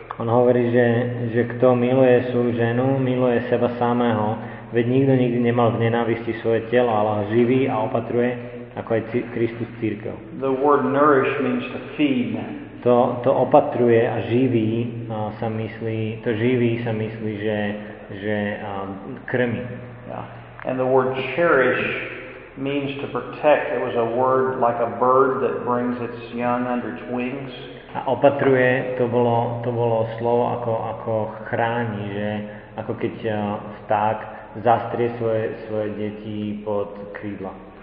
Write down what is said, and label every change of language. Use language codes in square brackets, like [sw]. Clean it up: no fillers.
[sk] On hovorí, že kto miluje svoju ženu, miluje seba samého, veď nikto nikdy nemal v nenávisti svoje telo, ale ho živí a opatruje, ako aj Kristus cirkev. [en] The word nourish means to feed. [sk] To opatruje a živí, sa myslí, to živí sa myslí, že krmí. Yeah. [en] And the word cherish means to protect. It was a word like a bird that brings its young under its wings. [sk] A opatruje, to bolo slovo ako chráni, že ako keď vták zastrie svoje deti pod krídla.